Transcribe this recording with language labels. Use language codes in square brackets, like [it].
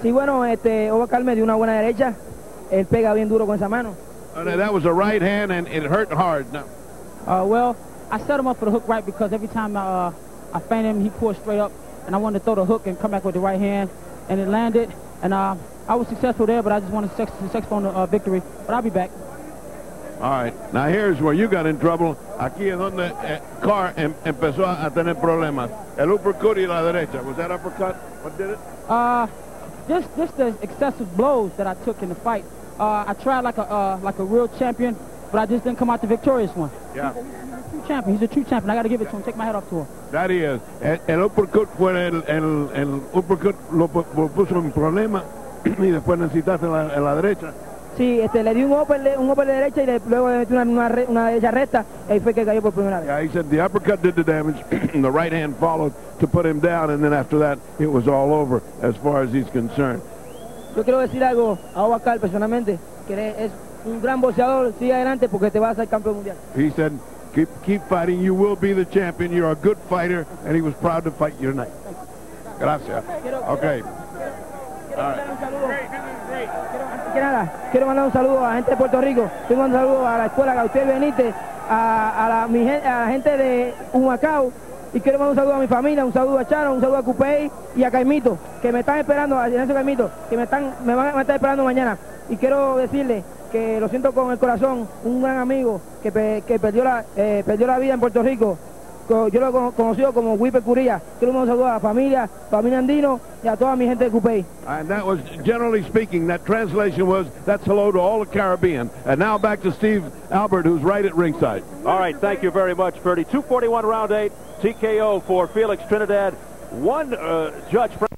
[es] Sí, bueno, Oba Carr me dio una buena derecha. Él pega bien duro con esa mano. [en] That was a right hand, and it hurt hard. No. Well, I set him up for the hook right, because every time I feint him, he pulled straight up, and I wanted to throw the hook and come back with the right hand. And it landed, and I was successful there, but I just wanted to successful on the victory. But I'll be back. All right. Now here's where you got in trouble. [es] Aquí es donde Carr empezó a tener problemas. El uppercut y la derecha. [en] Was that uppercut? What did it? Just the excessive blows that I took in the fight. I tried like a real champion, but I just didn't come out the victorious one. Yeah. Champion. He's a true champion. I got to give it to him. Take my hat off to him. That he is. [es] El uppercut fue el uppercut lo puso en problema y después necesitaste la derecha. Sí, le di un open de derecha y luego le metí una derecha recta y fue que cayó por primera vez. [en] Yeah, he said the uppercut did the damage, the right hand followed to put him down, and then after that it was all over as far as he's concerned. [es] Yo quiero decir algo a Oba Carr personalmente, que es un gran boxeador, sigue adelante porque te vas a ser campeón mundial. [en] He said, keep fighting, you will be the champion, you're a good fighter, and he was proud to fight you tonight. [es] Gracias. Okay. Quiero mandar un saludo. Quiero mandar un saludo a la gente de Puerto Rico. Tengo un saludo a la escuela Gautier Benítez, a la gente de Humacao. Y quiero mandar un saludo a mi familia, un saludo a Charo, un saludo a Cupey y a Caimito, que me están esperando, a Ignacio Caimito, que me van a estar esperando mañana. Y quiero decirle que lo siento con el corazón, un gran amigo que perdió la vida en Puerto Rico. Yo lo he conocido como Wipe Curia. Quiero un saludo a la familia Andino y a toda mi gente de Cupey. [en] And that was, generally speaking, that translation was, that's hello to all the Caribbean. And now back to Steve Albert, who's right at ringside. All right, thank you very much, Ferdy. 241 round 8, TKO for Felix Trinidad. One judge...